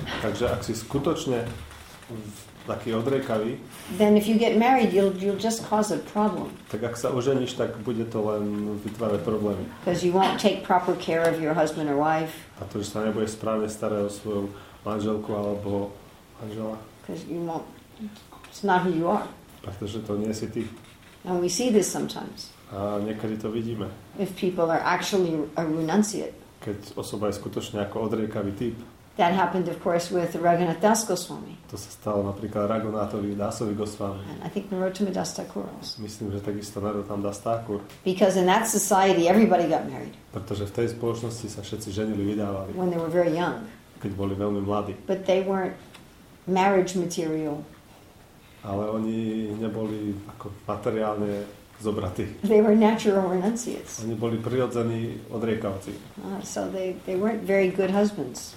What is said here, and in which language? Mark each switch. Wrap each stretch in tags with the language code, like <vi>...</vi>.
<sk>takže ak si skutočne taký odriekavý,</sk> <en>then if you get married, you'll just cause a problem.</en> <sk>Tak ak sa oženíš, tak bude to len vytvárať problémy.</sk> <en>Because you won't take proper care of your husband or wife.</en> <sk>A to, že sa nebudeš správne starať o svoju manželku alebo manžela.</sk> <en>Because you won't. It's not who you are.</en> <sk>Pretože to nie si ty.</sk> <en>And we see this sometimes.</en> <sk>A niekedy to vidíme.</sk> <en>If people are actually a renunciate.</en> <sk>Keď osoba je skutočne ako odriekavý typ.</sk> <en>That happened, of course, with Raghunath Das Goswami.</en> <sk>To sa stalo napríklad Raghunathovi Dasovi Goswami.</sk> <en>And I think Narottama Das Thakur also.</en> <sk>Myslím, že takisto Narottam Das Thakur.</sk> <en>Because in that society everybody got married.</en> <sk>Pretože v tej spoločnosti sa všetci ženili, vydávali.</sk> <en>When they were very young.</en> <sk>Keď boli veľmi mladí.</sk> <en>But they weren't marriage material.</en> <sk>Ale oni neboli ako materiálne zobratí.</sk> <en>They were natural renunciates.</en> <sk>Oni boli prirodzení odriekavci.</sk> <en>So they weren't very good husbands.</en>